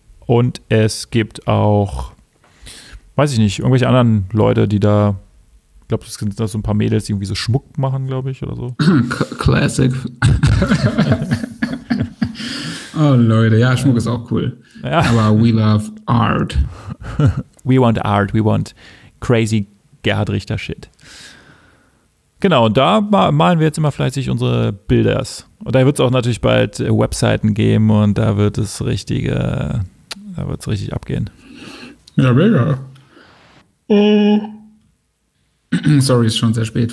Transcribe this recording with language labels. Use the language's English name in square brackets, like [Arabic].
[German] Und es gibt auch, weiß ich nicht, irgendwelche anderen Leute, die da, ich glaube, das sind da so ein paar Mädels, die irgendwie so Schmuck machen, glaube ich, oder so. Classic. Oh, Leute, ja, Schmuck ist auch cool. Ja. [English] Aber we love art. We want art, we want crazy Gerhard Richter Shit. [German] Genau, und da malen wir jetzt immer fleißig unsere Bilder. Und da wird es auch natürlich bald Webseiten geben und da wird es richtig abgehen. Ja, mega. Oh. Sorry, ist schon sehr spät.